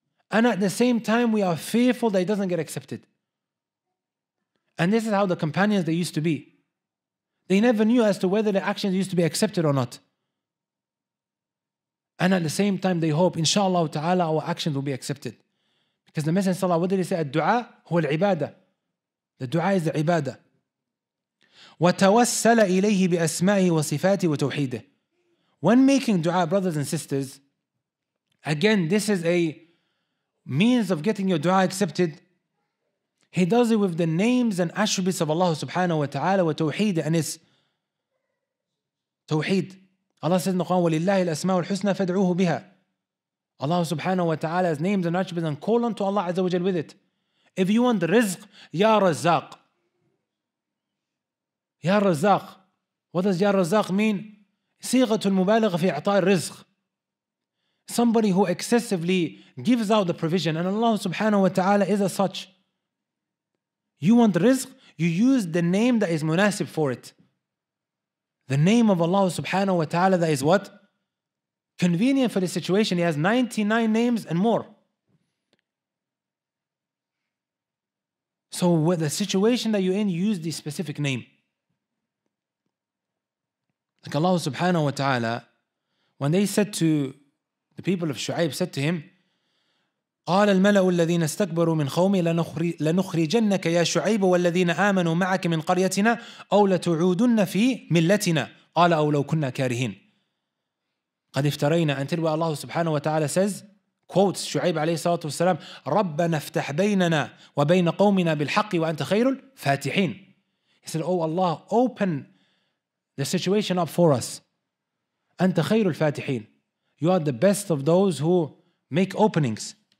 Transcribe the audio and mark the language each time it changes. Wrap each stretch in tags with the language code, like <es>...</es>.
<en>And at the same time, we are fearful that it doesn't get accepted. And this is how the companions, they used to be. They never knew as to whether their actions used to be accepted or not. And at the same time, they hope, inshallah ta'ala, our actions will be accepted. Because the Messenger sallallahu alayhi wa sallam, what did he say?</en> <ar>الدعاء هو العبادة.</ar> <en>The dua is the ibadah.</en> <ar>وتوسل إليه بأسمائه وصفاته وتوحيده.</ar> <en>When making dua, brothers and sisters, again, this is a means of getting your dua accepted. He does it with the names and attributes of Allah subhanahu wa ta'ala وتوحيده. And it's توحيد. Allah says in the Quran,</en> <ar>وَلِلَّهِ الْأَسْمَاءُ الْحُسْنَى فَادْعُوهُ بِهَا.</ar> <en>Allah subhanahu wa ta'ala has names and attributes, and call unto Allah Azza wa Jal with it. If you want the rizq, Ya Razzaq. Ya Razzaq. What does Ya Razzaq mean?</en> <ar>Sighatul mubalagha fi i'ta' al-rizq.</ar> <en>Somebody who excessively gives out the provision, and Allah subhanahu wa ta'ala is as such. You want the rizq, you use the name that is munasib for it. The name of Allah subhanahu wa ta'ala that is what? Convenient for the situation. He has 99 names and more. So with the situation that you're in, use the specific name. Like Allah subhanahu wa ta'ala, when they said to the people of Shu'aib, said to him,</en> <ar>قَالَ الْمَلَأُ الَّذِينَ اسْتَكْبَرُوا مِنْ خَوْمِي لَنُخْرِجَنَّكَ يَا شُعَيْبُ وَالَّذِينَ آمَنُوا مَعَكَ مِنْ قَرْيَتِنَا أَوْ لَتُعُودُنَّ فِي مِلَّتِنَا قَالَ أَوْ لَوْ كُنَّا كَارِهِينَ. قَدْ افْتَرَيْنَا.</ar> <en>Until where Allah subhanahu wa ta'ala says, quotes Shu'aib alayhi salatu wasalam,</en> <ar>رَبَّنَا افْتَحْ بَيْنَنَا وَبَيْنَ قَوْمِنَا بِالْحَقِّ وَأَنْتَ خَيْرُ الْفَاتِحِينَ.</ar> <en>He said, oh Allah, open the situation up for us.</en> <ar>أَنْتَ خَيْرُ الْفَاتِحِينَ.</ar> <en>You are the best of those who make openings.</en>